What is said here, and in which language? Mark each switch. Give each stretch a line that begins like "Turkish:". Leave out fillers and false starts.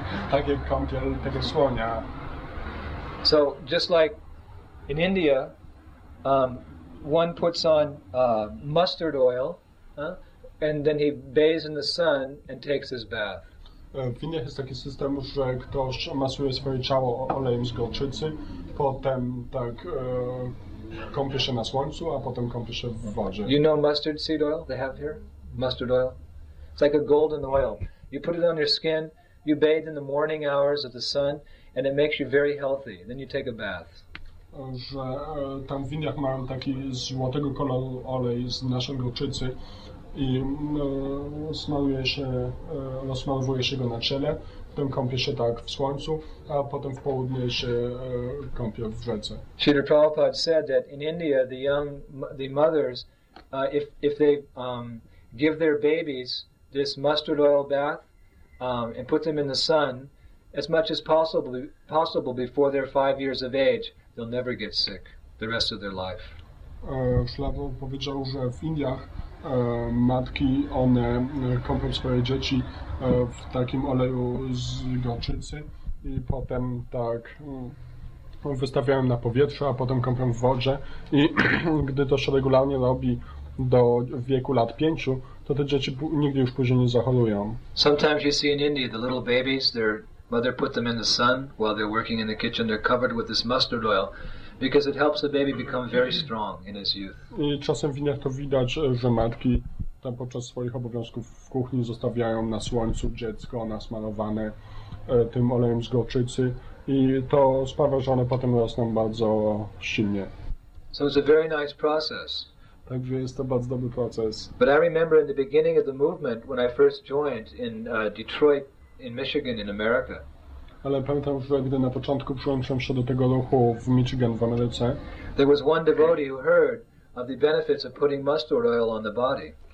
Polish: Tak jak kąpiel tego słonia.
English: So, just like in India, one puts on mustard oil, and then he bathes in the sun and takes his bath.
Polish: W Indiach jest taki system, że ktoś masuje swoje ciało olejem z gorczycy, potem tak kąpie się na słońcu, a potem kąpie się w wodzie.
English: You know mustard seed oil they have here? Mustard oil? It's like a golden oil. You put it on your skin, you bathe in the morning hours of the sun, and it makes you very healthy. Then you take a bath.
Polish: Że tam w Indiach mają taki złotego koloru olej z naszej gorczycy, i smaluje się, rozsmalowuje się go na ciele, potem kąpie się tak w słońcu, a potem w południe się kąpie w rzece.
English: Śrīla Prabhupāda said that in India the young, the mothers, if they give their babies this mustard oil bath and put them in the sun as much as possible before they're 5 years of age, they'll never get sick the rest of their life.
Polish: Śrīla Prabhupāda powiedział, że w Indiach matki, one kąpią swoje dzieci w takim oleju z gorczycy i potem tak wystawiają na powietrze, a potem kąpią w wodzie i gdy to się regularnie robi do wieku lat 5, to te dzieci nigdy już później nie zachorują.
English: Sometimes you see in India the little babies, their mother put them in the sun while they're working in the kitchen, they're covered with this mustard oil. Because it helps the baby become very strong in his youth.
Polish: I czasem w Indiach to widać, że matki tam podczas swoich obowiązków w kuchni zostawiają na słońcu dziecko nasmalowane tym olejem z gorczycy i to sprawia, że one potem rosną bardzo silnie.
English: So it's a very nice process.
Polish: Także jest to bardzo dobry proces.
English: But I remember in the beginning of the movement when I first joined in Detroit in Michigan in America.
Polish: Ale pamiętam, że gdy na początku przyłączyłem się do tego ruchu w Michigan, w Ameryce,
English: there was one devotee who heard of the benefits of putting mustard oil on the body.